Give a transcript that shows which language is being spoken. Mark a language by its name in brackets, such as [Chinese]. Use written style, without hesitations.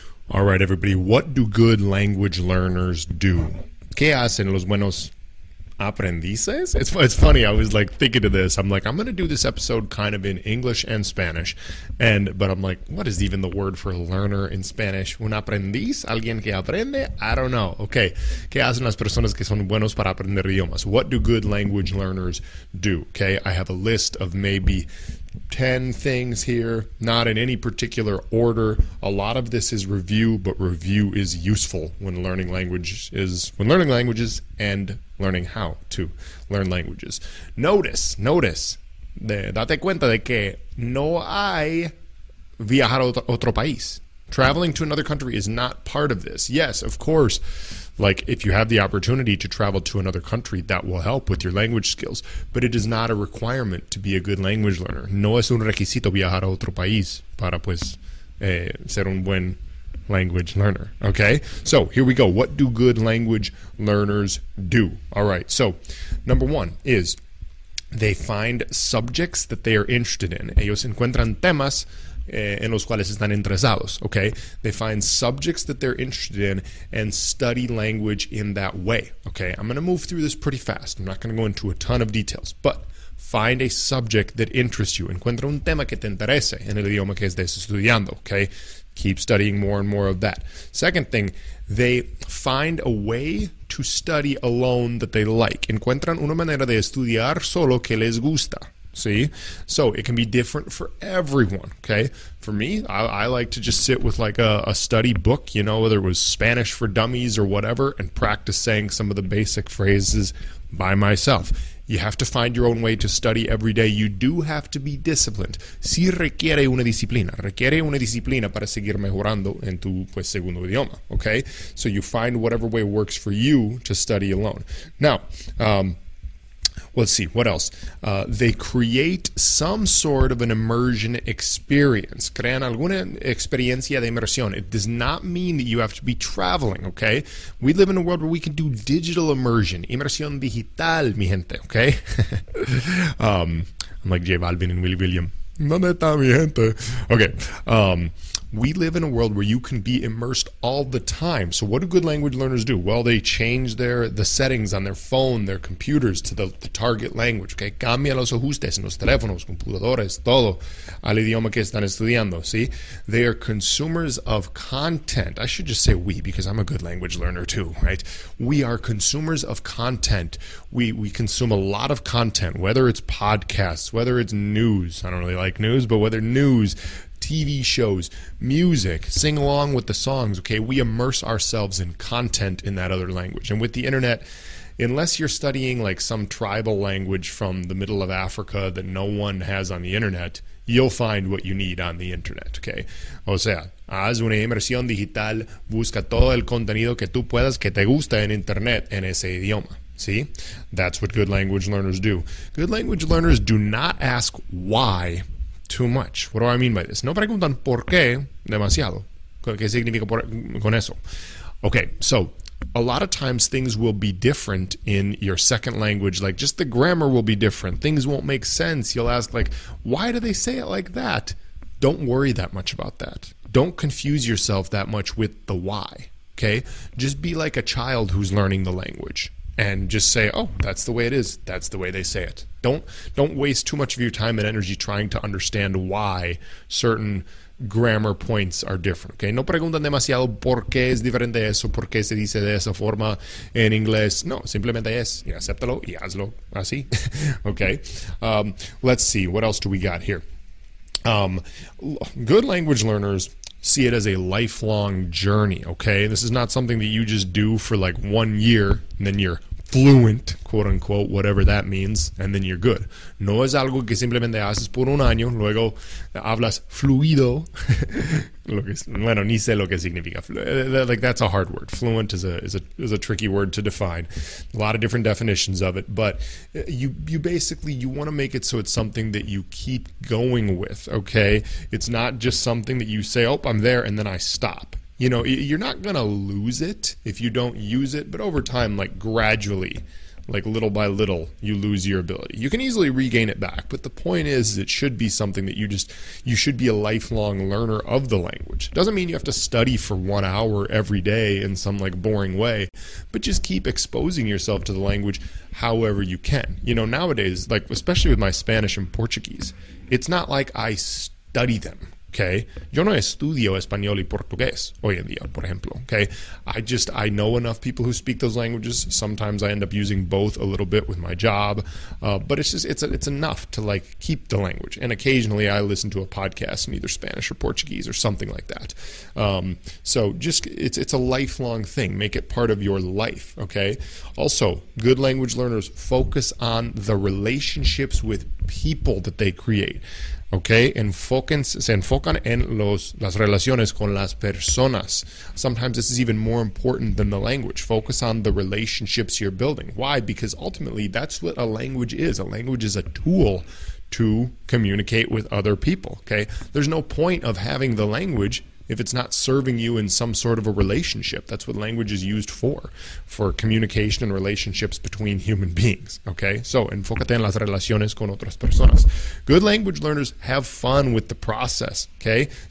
[English] All right, everybody, what do good language learners do? [Spanish] ¿Qué hacen los buenos aprendices? [English] It's funny, I was like thinking of this. I'm like, I'm going to do this episode kind of in English and Spanish. But I'm like, what is even the word for learner in Spanish? [Spanish] ¿Un aprendiz? ¿Alguien que aprende? [English] I don't know. [Spanish] Okay, ¿qué hacen las personas que son buenos para aprender idiomas? [English] What do good language learners do? Okay, I have a list of maybe 10 things here, not in any particular order. A lot of this is review, but review is useful when learning languages and learning how to learn languages. Notice, [Spanish] date cuenta de que no hay viajar a otro país. [English] Traveling to another country is not part of this. Yes, of course, like if you have the opportunity to travel to another country, that will help with your language skills. But it is not a requirement to be a good language learner. [Spanish] No es un requisito viajar a otro país para pues ser un buen [English] language learner. Okay, so here we go. What do good language learners do? All right, so number one is they find subjects that they are interested in. [Spanish] Ellos encuentran temas en los cuales están interesados, okay? [English] They find subjects that they're interested in and study language in that way, okay? I'm going to move through this pretty fast. I'm not going to go into a ton of details, but find a subject that interests you. [Spanish] Encuentra un tema que te interese en el idioma que estés estudiando, okay? [English] Keep studying more and more of that. Second thing, they find a way to study alone that they like. [Spanish] Encuentran una manera de estudiar solo que les gusta. [English] See? So it can be different for everyone, okay? For me, I like to just sit with like a study book, you know, whether it was Spanish for Dummies or whatever, and practice saying some of the basic phrases by myself. You have to find your own way to study every day. You do have to be disciplined. [Spanish] Si requiere una disciplina. Requiere una disciplina para seguir mejorando en tu pues, segundo idioma, okay? [English] So you find whatever way works for you to study alone. Now, let's see, what else? They create some sort of an immersion experience. [Spanish] Crean alguna experiencia de inmersión. [English] It does not mean that you have to be traveling, okay? We live in a world where we can do digital immersion. [Spanish] Inmersión digital, mi gente, [English] okay? I'm like J Balvin and Willie William. [Spanish] ¿Dónde está mi gente? [English] Okay. We live in a world where you can be immersed all the time. So what do good language learners do? Well, they change the settings on their phone, their computers, to the target language. [Spanish] Okay, cambia los ajustes en los teléfonos, computadores, todo, al idioma que están estudiando. [English] See? They are consumers of content. I should just say we, because I'm a good language learner too, right? We are consumers of content. We consume a lot of content, whether it's podcasts, whether it's news. I don't really like news, but whether news, TV shows, music, sing along with the songs, okay? We immerse ourselves in content in that other language. And with the internet, unless you're studying like some tribal language from the middle of Africa that no one has on the internet, you'll find what you need on the internet, okay? [Spanish] O sea, haz una inmersión digital, busca todo el contenido que tú puedas que te gusta en internet en ese idioma. [English] See? That's what good language learners do. Good language learners do not ask why too much. What do I mean by this? [Spanish] No preguntan por qué demasiado. ¿Qué significa con eso? [English] Okay, so a lot of times things will be different in your second language. Like just the grammar will be different. Things won't make sense. You'll ask like, why do they say it like that? Don't worry that much about that. Don't confuse yourself that much with the why. Okay, just be like a child who's learning the language. And just say, oh, that's the way it is. That's the way they say it. Don't waste too much of your time and energy trying to understand why certain grammar points are different. Okay? [Spanish] No preguntan demasiado por qué es diferente eso, por qué se dice de esa forma en inglés. No, simplemente es. Y acéptalo y hazlo así. [English] Okay? Let's see. What else do we got here? Good language learners see it as a lifelong journey, okay? This is not something that you just do for like 1 year and then you're fluent, quote unquote, whatever that means, and then you're good. [Spanish] No es algo que simplemente haces por un año, luego hablas fluido. Lo que es, bueno, ni sé lo que significa. [English] Like, that's a hard word. Fluent is a tricky word to define. A lot of different definitions of it, but you basically, you want to make it so it's something that you keep going with, okay? It's not just something that you say, oh, I'm there, and then I stop. You know, you're not going to lose it if you don't use it, but over time, like gradually, like little by little, you lose your ability. You can easily regain it back, but the point is it should be something that you should be a lifelong learner of the language. It doesn't mean you have to study for 1 hour every day in some like boring way, but just keep exposing yourself to the language however you can. You know, nowadays, like especially with my Spanish and Portuguese, it's not like I study them. [Spanish] Okay, yo no estudio español y portugués hoy en día, por ejemplo. [English] Okay, I know enough people who speak those languages. Sometimes I end up using both a little bit with my job, but it's enough to like keep the language. And occasionally I listen to a podcast in either Spanish or Portuguese or something like that. So just it's a lifelong thing. Make it part of your life. Okay. Also, good language learners focus on the relationships with people that they create. [Spanish] Okay, se enfocan en las relaciones con las personas. [English] Sometimes this is even more important than the language. Focus on the relationships you're building. Why? Because ultimately, that's what a language is. A language is a tool to communicate with other people. Okay, there's no point of having the language if it's not serving you in some sort of a relationship. That's what language is used for communication and relationships between human beings, okay? [Spanish] So, enfócate en las relaciones con otras personas. [English] Good language learners have fun with the process, okay?